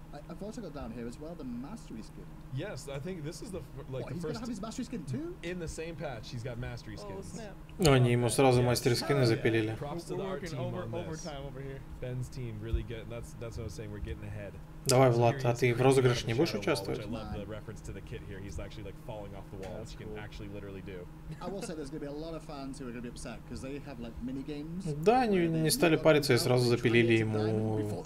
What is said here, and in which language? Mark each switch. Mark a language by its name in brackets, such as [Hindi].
[English] I've also got down here as well the mastery skin. Yes, I think this is the first. He's gonna have his mastery skin too. In the same patch, he's got mastery skins. [Russian] Oh, они ему сразу мастер скины запилили. [English] Props to the art team on this. Ben's team really good. That's what I was saying. We're getting ahead. [Russian] Давай, Влад, а ты в розыгрыше не будешь участвовать? [English] I love the reference to the kit here. He's actually like falling off the wall, which you can actually literally do. I will say there's gonna be a lot of fans who are gonna be upset because they have like mini games. [Russian] Да, они не стали париться и сразу запилили ему.